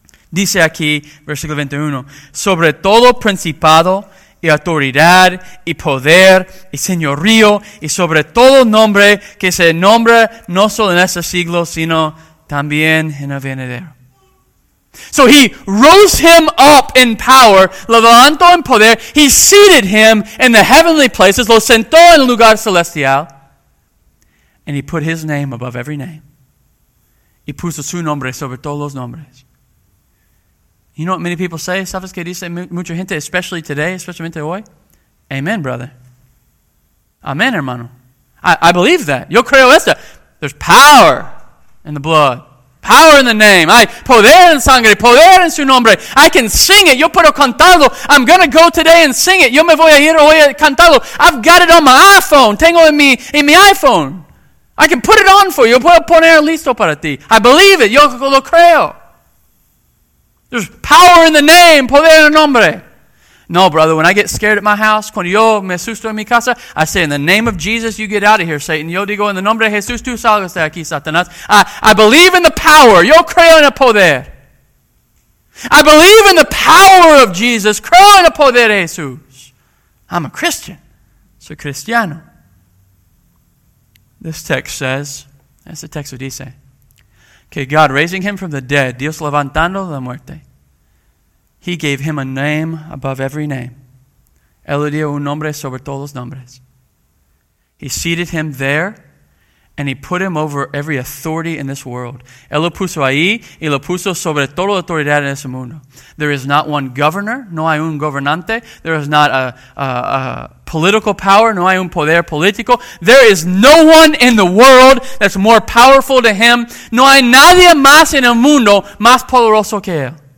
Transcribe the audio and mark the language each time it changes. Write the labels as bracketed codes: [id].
[es] Dice aquí, versículo 21, sobre todo principado y autoridad y poder y señorío y sobre todo nombre que se nombra no solo en este siglo, sino también en el venidero. [en] So he rose him up in power, [es] levantó en poder, [en] he seated him in the heavenly places, [es] lo sentó en el lugar celestial. [en] And he put his name above every name. [es] Y puso su nombre sobre todos los nombres. [en] You know what many people say? [es] ¿Sabes qué dice mucha gente, [en] especially today, [es] especialmente hoy? [en] Amen, brother. [es] Amen, hermano. [en] I believe that. [es] Yo creo esto. [en] There's power in the blood. Power in the name. [es] Hay poder en sangre. Poder en su nombre. [en] I can sing it. [es] Yo puedo cantarlo. [en] I'm going to go today and sing it. [es] Yo me voy a ir hoy a cantarlo. [en] I've got it on my iPhone. [es] Tengo en mi iPhone. [en] I can put it on for you. [es] Puedo poner listo para ti. [en] I believe it. [es] Yo lo creo. [en] There's power in the name. [es] Poder en el nombre. No, [en] brother. When I get scared at my house, [es] cuando yo me asusto en mi casa, [en] I say, in the name of Jesus, you get out of here, Satan. [es] Yo digo, en el nombre de Jesús, tú salgas de aquí, Satanás. [en] I believe in the power. [es] Yo creo en el poder. [en] I believe in the power of Jesus. [es] Creo en el poder de Jesús. [en] I'm a Christian. [es] Soy cristiano. [en] This text says, as the text would say, okay, God raising him from the dead, [es] Dios levantando la muerte, [en] he gave him a name above every name. [es] Él le dio un nombre sobre todos los nombres. [en] He seated him there, and he put him over every authority in this world. [es] Él lo puso ahí, y lo puso sobre toda la autoridad en ese mundo. [en] There is not one governor, [es] no hay un gobernante. [en] There is not a political power, [es] no hay un poder político. [en] There is no one in the world that's more powerful to him. [es] No hay nadie más en el mundo más poderoso que él.